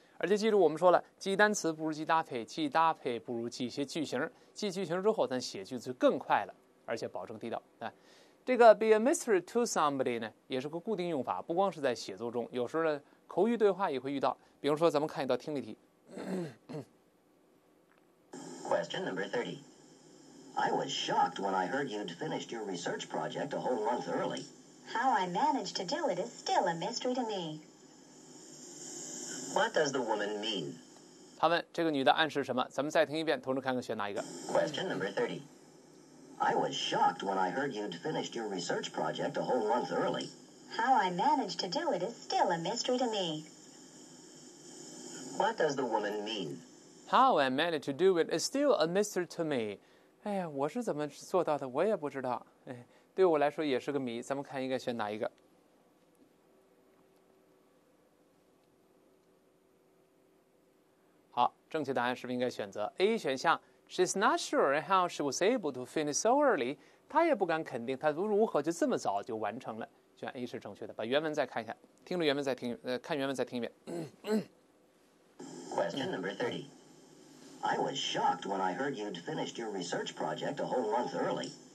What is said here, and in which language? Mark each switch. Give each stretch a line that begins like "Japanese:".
Chinese: 而且记住我们说了，记单词不如记搭配，记搭配不如记一些句型。记句型之后，咱写句子就更快了。而且保证地道，这个
English: be a mystery to somebody
Chinese: 呢，也是个固定用法，不光是在写作中，有时候呢口语对话也会遇到。比如说，咱们看一道听力题。
English: Question number 30. I was shocked when I heard you'd finished your research project a whole month early. How I managed to do it is still a mystery to me. What does the woman mean?
Chinese: 他问这个女的暗示什么？咱们再听一遍，同时看看选哪一个。
English: Question number 30. I was shocked when I heard you'd finished your research project a whole month early. How I managed to do it is still a mystery to me. What does the woman mean? How I managed to do it is still a mystery to me.
Chinese: 哎呀，我是怎么做到的？我也不知道。哎，对我来说也是个谜。咱们看一个选哪一个。好，正确答案是不是应该选择 A 选项？
English: She's not sure how she was able to finish so early.
Chinese: 她也不敢肯定她如何就这么早就完成了。选 A 是正确的。把原文再看一下，听着原文再听，看原文再听一遍。
English: Question number 30. I was shocked when I heard you'd finished your research project a whole month early.